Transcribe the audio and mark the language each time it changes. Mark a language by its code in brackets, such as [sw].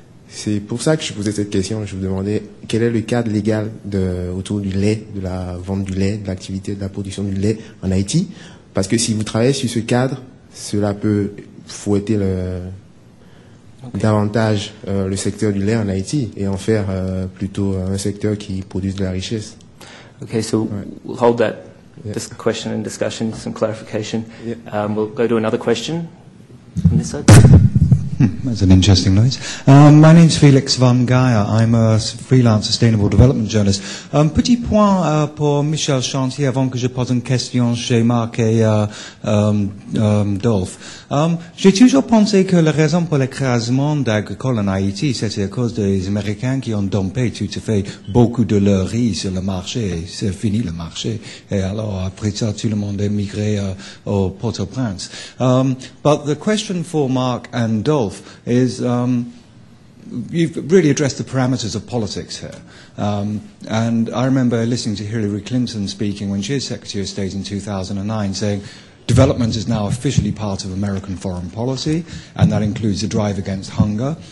[fr] C'est pour ça que je posais cette question. Je vous demandais quel est le cadre légal autour du lait, de la vente du lait, de l'activité de la production du lait en Haïti. Parce que si vous travaillez sur ce cadre, cela peut fouetter davantage le secteur du lait en Haïti et en faire plutôt un secteur qui produit de la richesse. [en] OK, so we'll hold that question and discussion, some clarification. Yeah. We'll go to another question on this side. That's an interesting noise. My name's Felix von Geyer. I'm a freelance sustainable development journalist. [fr] Petit point pour Michel Chantier avant que je pose une question chez Marc et Dolph. J'ai toujours pensé que la raison pour l'écrasement d'agricole en Haïti, c'était à cause des Américains qui ont dumpé tout à fait beaucoup de leur riz sur le marché. C'est fini le marché. Et alors, après ça, tout le monde est migré au Port-au-Prince. [en] But the question for Marc and Dolph is you've really addressed the parameters of politics here. And I remember listening to Hillary Clinton speaking when she was Secretary of State in 2009 saying development is now officially part of American foreign policy, and that includes the drive against hunger.